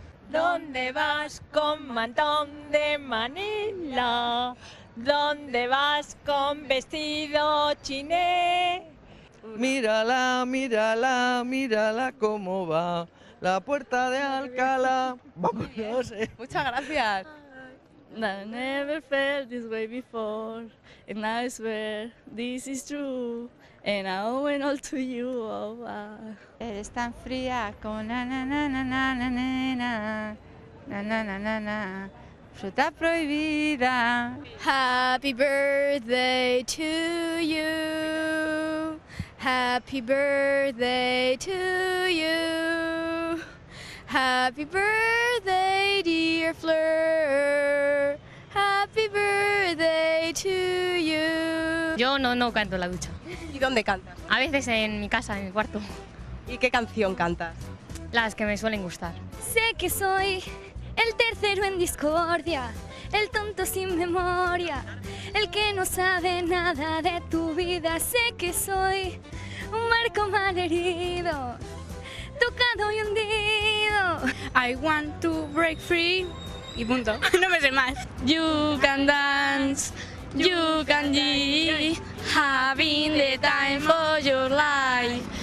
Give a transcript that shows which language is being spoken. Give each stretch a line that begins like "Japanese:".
Spanish: ¿Dónde vas con mantón de Manila? ¿Dónde vas con vestido chiné? Mírala, mírala, mírala cómo va, la puerta de Alcalá. Vámonos. Muchas gracias.
English: I never felt this way before, and I swear this is true, and I owe it all to you. Oh, wow.
Spanish: Eres tan fría como na na na na na na na na na na na na na. Fruta prohibida.
English: Happy birthday to you. Happy birthday to you. Happy birthday, dear Fleur. Happy birthday to you.
Spanish: Yo no canto en la ducha. ¿Y dónde cantas? A veces en mi casa, en mi cuarto. ¿Y qué canción cantas? Las que me suelen gustar. Sé que soy el tercero en discordia, el tonto sin memoria, el que no sabe nada de tu vida. Sé que soy un barco malherido, tocado y hundido.
English: I want to break free.
Spanish: Y punto. No me sé más.
English: You can dance, you can dance, having the time of your life.